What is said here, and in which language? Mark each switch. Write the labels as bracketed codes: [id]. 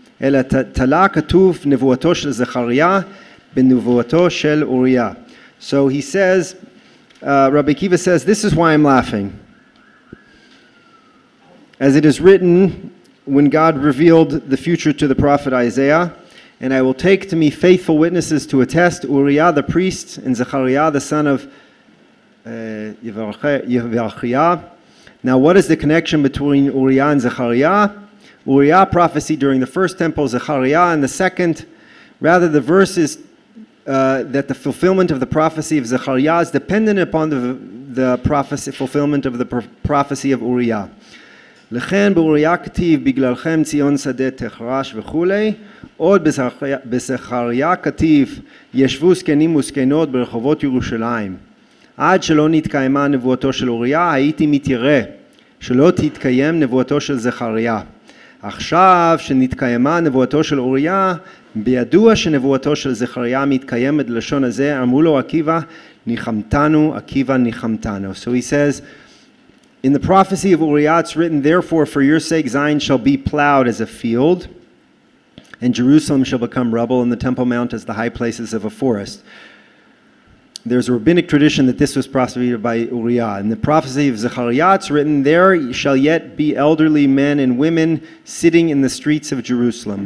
[he] אלא תלה כתוב נבואתו של זכריה בנבואתו של אוריה. [en] So he says, Rabbi Akiva says, this is why I'm laughing. As it is written, when God revealed the future to the prophet Isaiah, and I will take to me faithful witnesses to attest Uriah the priest and Zechariah the son of Yevarchiah. Now what is the connection between Uriah and Zechariah? Uriah prophecy during the first temple, Zechariah in the second. Rather, the verse is that the fulfillment of the prophecy of Zechariah is dependent upon the prophecy fulfillment of the prophecy of Uriah. [he] לכן באוריה כתיב בגללכם ציון שדה תחרש וכולי, עוד בזכריה כתיב ישבו זקנים וזקנות ברחובות ירושלים. עד שלא נתקיימה נבואתו של אוריה, הייתי מתיירא שלא תתקיים נבואתו של זכריה. עכשיו שנתקיימה נבואתו של אוריה, בידוע שנבואתו של זכריה מתקיימת לשון הזה, אמרו לו עקיבא, ניחמתנו, עקיבא ניחמתנו. [en] So he says, in the prophecy of Uriah, it's written, therefore, for your sake, Zion shall be plowed as a field, and Jerusalem shall become rubble, and the Temple Mount as the high places of a forest. There's a rabbinic tradition that this was prophesied by Uriah. In the prophecy of Zechariah, it's written, there shall yet be elderly men and women sitting in the streets of Jerusalem.